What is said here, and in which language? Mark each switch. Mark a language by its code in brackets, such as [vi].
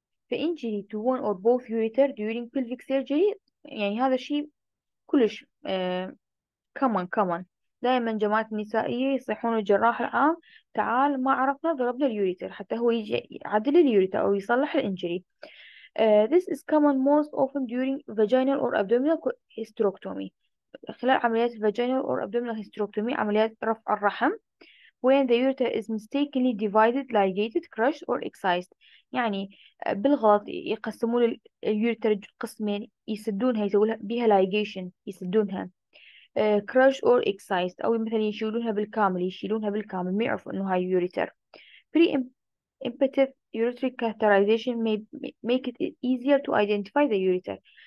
[en] فانجري to one or both ureter during pelvic surgery، [ar] يعني هذا الشيء كلش كمان كمان دائما جماعة النسائية يصيحون الجراح العام تعال ما عرفنا ضربنا اليوريتر، حتى هو يجي يعدل اليوريتر او يصلح الانجري. [en] This is common most often during vaginal or abdominal hysterectomy، [ar] خلال عمليات الفاجينال أو الأبدومينال هيستروكتومي عمليات رفع الرحم، [en] when the ureter is mistakenly divided, ligated, crushed or excised. [ar] يعني بالغلط يقسموا اليوريتر قسمين يسدونها يسوولها بها ligation يسدونها [en] crush or excised [ar] أو مثلا يشيلونها بالكامل يشيلونها بالكامل ما يعرفوا إنه هاي يوريتر. [en] pre impetive urethral catheterization may make it easier to identify the ureter.